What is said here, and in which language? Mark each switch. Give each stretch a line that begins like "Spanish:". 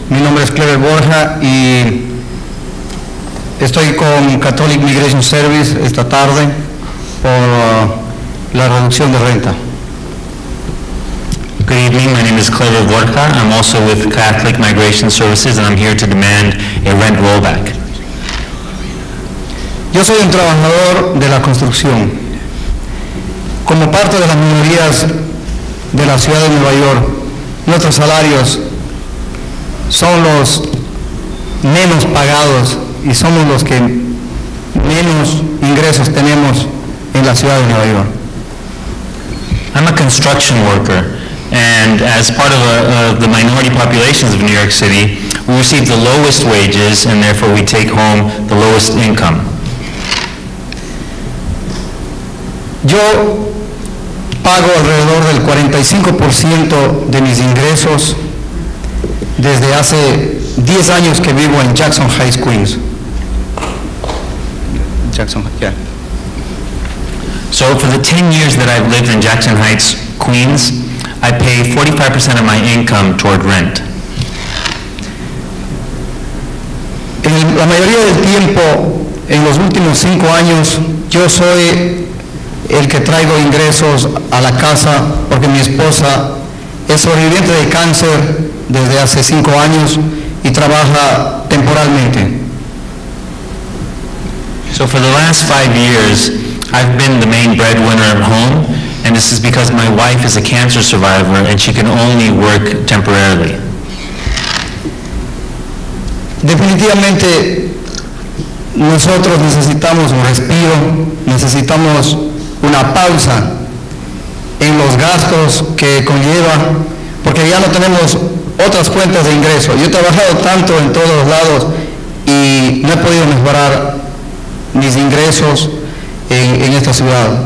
Spanish: Mi nombre es Clever Borja y estoy con Catholic Migration Service esta tarde por la reducción de renta.
English: Good evening. My name is Clever Borja. I'm also with Catholic Migration Services and I'm here to demand a rent rollback.
Spanish: Yo soy un trabajador de la construcción. Como parte de las minorías de la ciudad de Nueva York, nuestros salarios son los menos pagados y somos los que menos ingresos tenemos en la ciudad de Nueva York.
English: I'm a construction worker, and as part of the minority populations of New York City, we receive the lowest wages, and therefore we take home the lowest income.
Spanish: Yo pago alrededor del 45% de mis ingresos desde hace 10 años que vivo en Jackson Heights, Queens.
English: Jackson, yeah. So for the 10 years that I've lived in Jackson Heights, Queens, I pay 45% of my income toward rent.
Spanish: En la mayoría del tiempo, en los últimos 5 años, yo soy el que traigo ingresos a la casa porque mi esposa es sobreviviente de cáncer desde hace 5 años y trabaja temporalmente.
English: So for the last 5 years, I've been the main breadwinner at home, and this is because my wife is a cancer survivor and she can only work temporarily.
Spanish: Definitivamente, nosotros necesitamos un respiro, necesitamos una pausa en los gastos que conlleva, porque ya no tenemos otras fuentes de ingreso. Yo he trabajado tanto en todos los lados y no he podido mejorar mis ingresos en esta ciudad.